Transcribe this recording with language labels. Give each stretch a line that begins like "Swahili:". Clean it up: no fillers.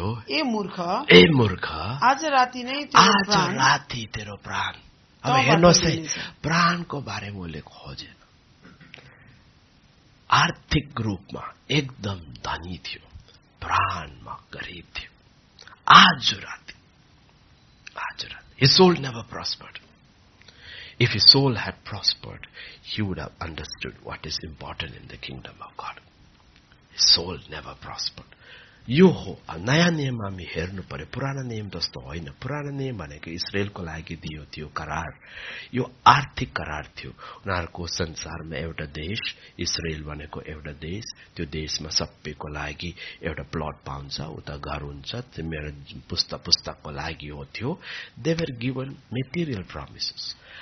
Nepali: ए मूर्ख, आज राति नै तेरो प्राण. अब हेर्नुहोस् है, प्राणको बारेमा उसले खोजेन. आर्थिक रूपमा एकदम धनी थियो, प्राणमा गरिब थियो. आज राति
English: His soul never prospered. If his soul had prospered, he would have understood what is important in the kingdom of God. His soul never prospered.
Nepali: यो हो नयाँ नियम. हामी हेर्नु पर्यो. पुरानो नियम जस्तो होइन. पुरानो नियम भनेको इसरायलको लागि दियो त्यो करार. यो आर्थिक करार थियो. उनीहरूको संसारमा एउटा देश, इसरायल भनेको एउटा देश. त्यो देशमा सबैको लागि एउटा प्लट पाउँछ, उता घर हुन्छ. त्यो मेरो पुस्तकको लागि हो त्यो.
English: They were given material promises.